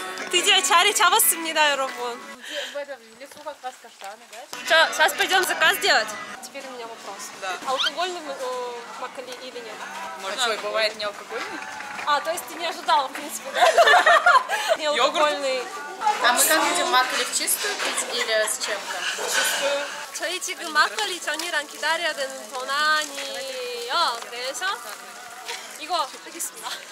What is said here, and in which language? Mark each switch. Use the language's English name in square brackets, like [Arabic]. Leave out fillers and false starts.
[Korean] 드디어 자리 잡았습니다, 여러분. [Russian] 자, сейчас пойдём заказ делать. Теперь у меня вопрос. Алкогольный макколи или нет? Может, свой бывает неалкогольный? А, то есть ты не ожидала, в принципе, да? Неалкогольный. А мы как будем макколи в чистую пить или с чем-то? Чистую. [Korean] 저희 지금 막걸리 전이랑 기다려야 되는 권한이 그래서 이거 드리겠습니다.